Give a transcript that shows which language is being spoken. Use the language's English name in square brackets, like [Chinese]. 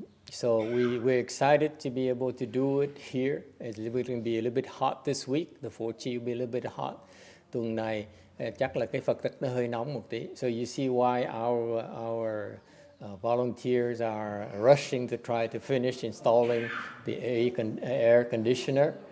[English] So we're excited to be able to do it here. It's going to be a little bit hot this week. The Phổ Chi will be a little bit hot. [Vietnamese] Tuần này chắc là cái Phật thất nó hơi nóng một tí. [English] So you see why our volunteers are rushing to try to finish installing the air conditioner.